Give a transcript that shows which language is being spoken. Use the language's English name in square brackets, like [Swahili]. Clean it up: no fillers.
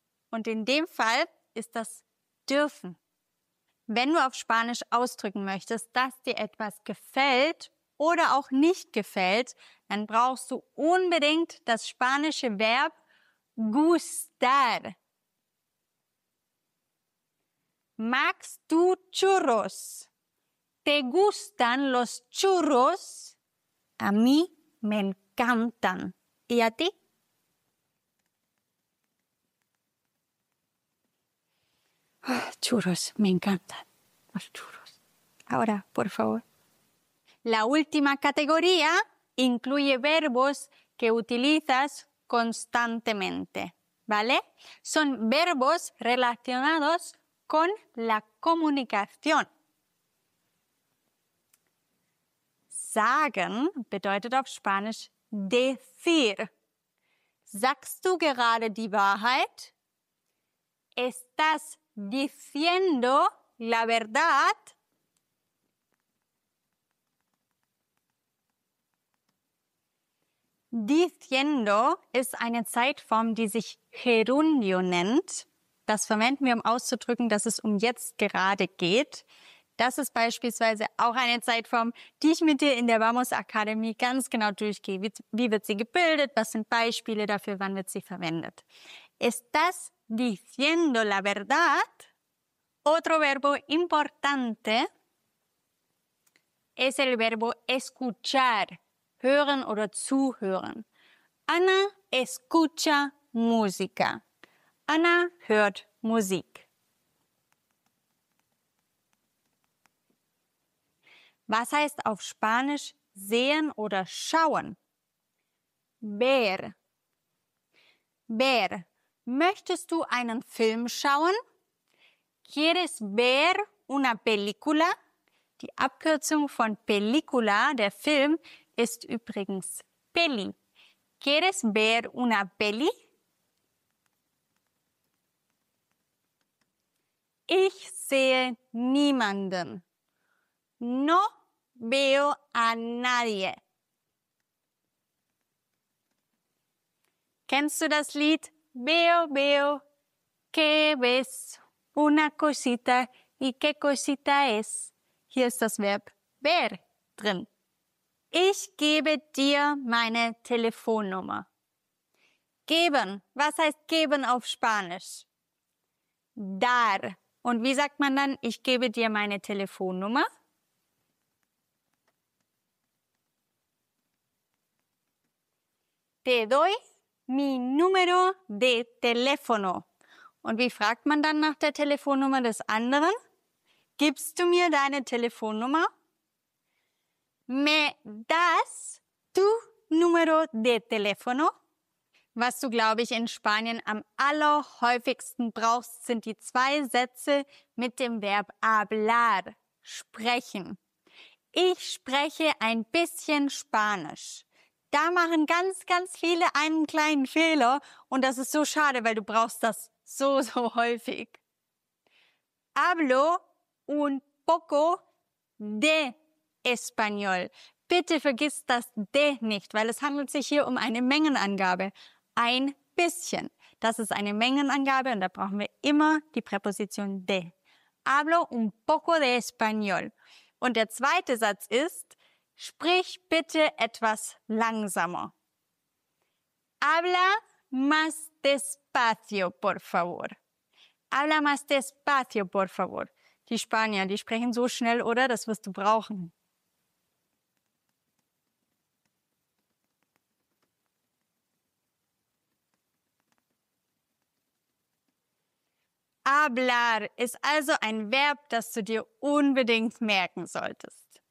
[German] Und in dem Fall ist das dürfen. Wenn du auf Spanisch ausdrücken möchtest, dass dir etwas gefällt oder auch nicht gefällt, dann brauchst du unbedingt das spanische Verb gustar. Magst du churros? [Spanish] ¿Te gustan los churros? A mí me encantan. ¿Y a ti? Churros, me encantan los churros. Ahora, por favor. La última categoría incluye verbos que utilizas constantemente, ¿vale? Son verbos relacionados con la comunicación. [German] Sagen bedeutet auf Spanisch decir. ¿Sagst du gerade die Wahrheit? [Spanish] ¿Estás diciendo la verdad? [German] Diciendo ist eine Zeitform, die sich Gerundio nennt. Das verwenden wir, um auszudrücken, dass es um jetzt gerade geht. Das ist beispielsweise auch eine Zeitform, die ich mit dir in der Vamos Akademie ganz genau durchgehe. Wie wird sie gebildet? Was sind Beispiele dafür? Wann wird sie verwendet? [Spanish] ¿Estás diciendo la verdad? Otro verbo importante es el verbo escuchar, [German] hören oder zuhören. [Spanish] Ana escucha música. [German] Ana hört Musik. Was heißt auf Spanisch sehen oder schauen? Ver. Ver. Möchtest du einen Film schauen? [Spanish] ¿Quieres ver una película? [German] Die Abkürzung von película, der Film, ist übrigens peli. [Spanish] ¿Quieres ver una peli? [German] Ich sehe niemanden. [Spanish] No veo a nadie. [German] Kennst du das Lied? [Spanish] Veo, veo, que ves una cosita y qué cosita es. [German] Hier ist das Verb ver drin. Ich gebe dir meine Telefonnummer. Geben. Was heißt geben auf Spanisch? Dar. Und wie sagt man dann, ich gebe dir meine Telefonnummer? [Spanish] Te doy mi número de teléfono. [German] Und wie fragt man dann nach der Telefonnummer des anderen? Gibst du mir deine Telefonnummer? [Spanish] Me das tu número de teléfono? [German] Was du, glaube ich, in Spanien am allerhäufigsten brauchst, sind die zwei Sätze mit dem Verb hablar, sprechen. Ich spreche ein bisschen Spanisch. Da machen ganz, ganz viele einen kleinen Fehler und das ist so schade, weil du brauchst das so, so häufig. [Spanish] Hablo un poco de español. [German] Bitte vergiss das de nicht, weil es handelt sich hier um eine Mengenangabe. Ein bisschen. Das ist eine Mengenangabe und da brauchen wir immer die Präposition de. [Spanish] Hablo un poco de español. [German] Und der zweite Satz ist, sprich bitte etwas langsamer. [Spanish] Habla más despacio, por favor. Habla más despacio, por favor. [German] Die Spanier, die sprechen so schnell, oder? Das wirst du brauchen. Hablar ist also ein Verb, das du dir unbedingt merken solltest.